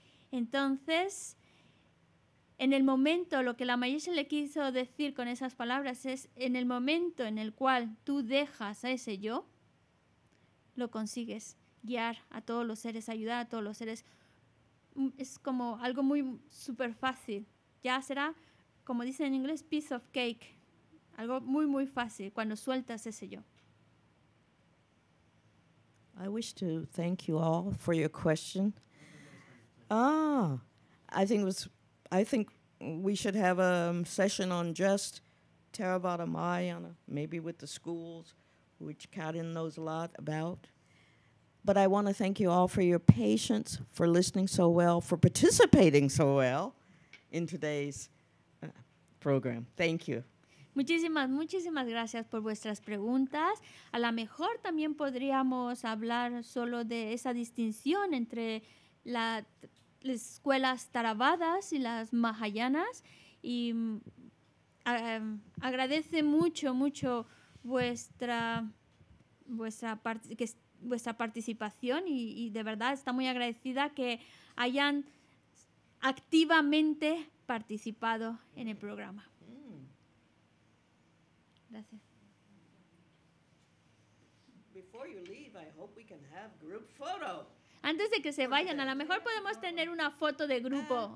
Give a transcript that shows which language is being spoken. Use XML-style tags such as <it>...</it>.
<es>Entonces, en el momento, lo que la Mayeshe le quiso decir con esas palabras es, en el momento en el cual tú dejas a ese yo, lo consigues guiar a todos los seres, ayudar a todos los seres. Es como algo muy súper fácil. Ya será, como dicen en inglés,</es> <en>piece of cake.</en> <es>Algo muy, muy fácil cuando sueltas ese yo.</es> <en>I wish to thank you all for your question. I think we should have a session on just Theravada Mahayana, maybe with the schools, which Karin knows a lot about. But I want to thank you all for your patience, for listening so well, for participating so well in today's program. Thank you.</en> <es>Muchísimas, muchísimas gracias por vuestras preguntas. A lo mejor también podríamos hablar solo de esa distinción entre las escuelas Taravadas y las Mahayanas. Y agradece mucho, mucho vuestra participación y de verdad está muy agradecida que hayan activamente participado en el programa. Gracias.</es> <en>Before you leave, I hope we can have group photo.</en> <es>Antes de que se vayan, a lo mejor podemos tener una foto de grupo.</es>